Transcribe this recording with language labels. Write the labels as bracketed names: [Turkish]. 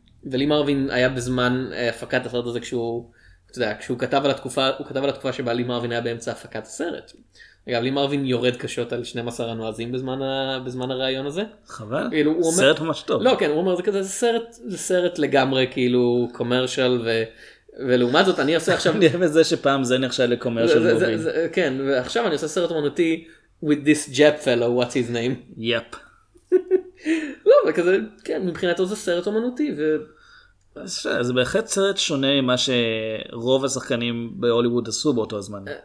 [Hebrew] ולי מרווין היה בזמן הפקת הסרט הזה כשהוא כתב על התקופה, הוא כתב על התקופה שבה לי מרווין היה באמצע הפקת הסרט. אגב, לי מרווין יורד קשות על 12 הנועזים בזמן הרעיון הזה. חבל, סרט ממש טוב. לא, כן, הוא אומר, זה כזה, זה סרט לגמרי, כאילו, קומרשל, ולעומת זאת, אני עושה עכשיו... אני אוהב את זה שפעם זה נחשב לקומרשל מובי. כן, ועכשיו אני עושה סרט אומנותי [English] with this Jap fellow, what's his name? Yep. [Hebrew] לא, וכזה, כן, מבחינתו זה סרט אומנותי, ו... זה בהחלט סרט שונה ממה שרוב השחקנים בהוליווד עשו באותו הזמן.